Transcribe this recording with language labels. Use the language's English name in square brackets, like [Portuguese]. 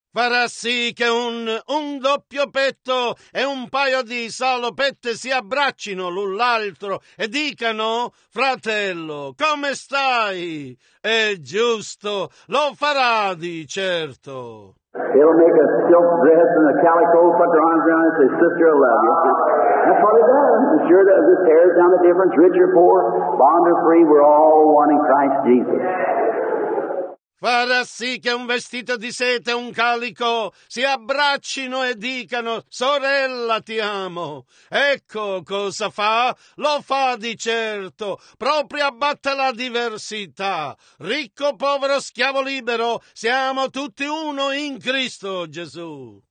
[Italian] Farà sì che un doppio petto e un paio di salopette si abbraccino l'un l'altro e dicano, fratello, come stai? È giusto, lo farà di certo. [English] It'll make a silk dress and a calico, put their arms around and say, sister, I love you. That's what it does. It sure does. It tears down the difference, rich or poor, bond or free, we're all one in Christ Jesus. [Italian] farà sì che un vestito di seta e un calico si abbraccino e dicano: sorella, ti amo. Ecco cosa fa, lo fa di certo, proprio abbatte la diversità. Ricco, povero, schiavo, libero, siamo tutti uno in Cristo Gesù.